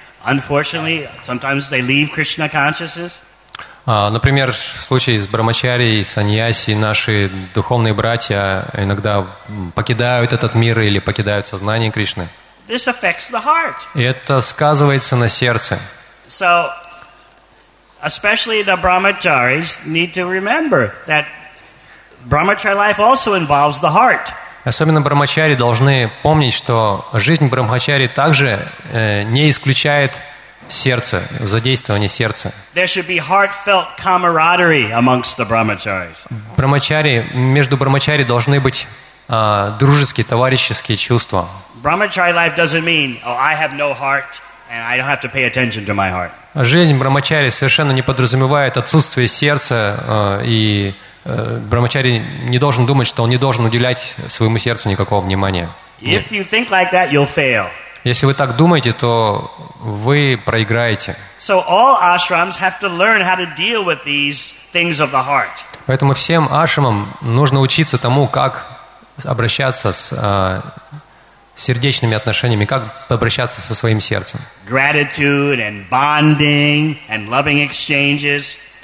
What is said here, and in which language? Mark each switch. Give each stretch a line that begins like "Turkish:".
English: Unfortunately, sometimes they leave Krishna consciousness.
Russian: Например, в случае с брахмачари и саньяси, наши духовные братья иногда покидают этот мир или покидают сознание Кришны.
English: This affects the heart.
Russian: И это сказывается на сердце.
English: So, especially the brahmacharis need to remember that brahmachari life also involves the heart.
Russian: Особенно брахмачари должны помнить, что жизнь брахмачари также не исключает сердце, задействование сердца.
English: There should be heartfelt camaraderie amongst the brahmacharis.
Russian: Брахмачари, между брахмачари должны быть дружеские, товарищеские чувства.
English: Brahmachari life doesn't mean, oh, I have no heart and I don't have to pay attention to my heart.
Russian: Жизнь брахмачари совершенно не подразумевает отсутствие сердца, и брахмачари не должен думать, что он не должен уделять своему сердцу никакого внимания.
English: If you think like that, you'll fail.
Russian: Если вы так думаете, то вы проиграете.
English: So all ashrams have to learn how to deal with these things of the heart.
Russian: Поэтому всем ашрамам нужно учиться тому, как обращаться с сердечными отношениями, как обращаться со своим сердцем.
English: Gratitude and bonding and loving exchanges.